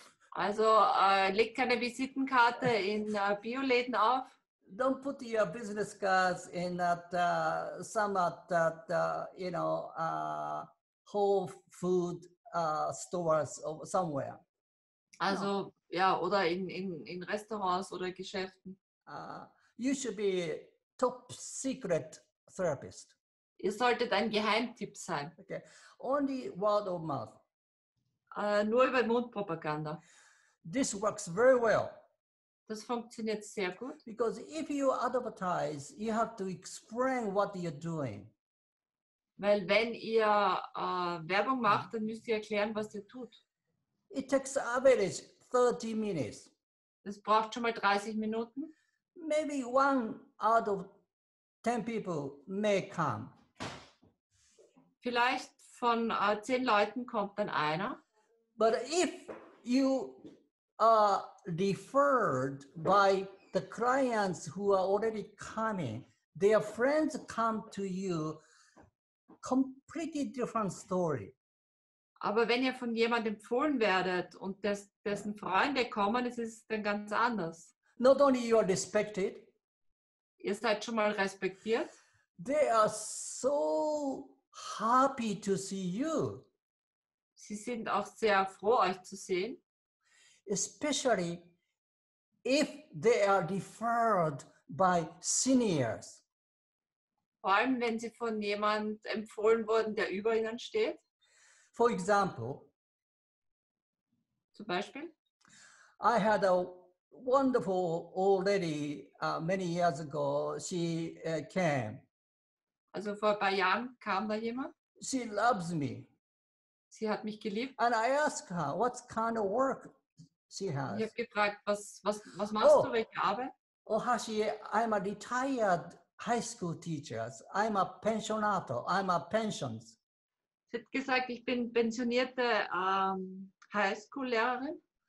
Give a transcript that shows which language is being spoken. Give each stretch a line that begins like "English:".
German: Also, leg keine Visitenkarte in Bioläden auf.
English: Don't put your business cards in at some at you know whole food stores or somewhere.
German: Also no. Ja, oder in Restaurants oder Geschäften.
English: You should be top secret therapist.
German: Ihr solltet ein Geheimtipp sein.
English: Okay. Only word of mouth.
German: Nur über Mundpropaganda.
English: This works very well.
German: Das funktioniert sehr gut.
English: Because if you advertise, you have to explain what you're doing.
German: Weil wenn ihr Werbung macht, dann müsst ihr erklären, was ihr tut.
English: It takes average 30 minutes.
German: Das braucht schon mal 30 Minuten.
English: Maybe one out of 10 people may come.
German: Vielleicht von 10 Leuten kommt dann einer.
English: But if you referred by the clients who are already coming, their friends come to you, completely different story.
German: Aber wenn ihr von jemandem empfohlen werdet und dessen Freunde kommen, es ist dann ganz anders.
English: Not only you are respected.
German: Ihr seid schon mal respektiert.
English: They are so happy to see you.
German: Sie sind auch sehr froh, euch zu sehen.
English: Especially if they are referred by seniors.
German: Vor allem, wenn sie von jemand empfohlen wurden, der über ihnen steht.
English: For example,
German: zum Beispiel,
English: I had a wonderful old lady many years ago. She came.
German: Also vor ein paar Jahren kam da jemand.
English: She loves me.
German: Sie hat mich geliebt.
English: And I asked her, what kind of work she has.
German: Ich habe gefragt, was machst du, welche Arbeit?
English: OHASHI, I'm a retired high school teacher. I'm a pensionato. I'm a pensions.
German: Sie hat gesagt, ich bin pensionierte Highschool-Lehrerin.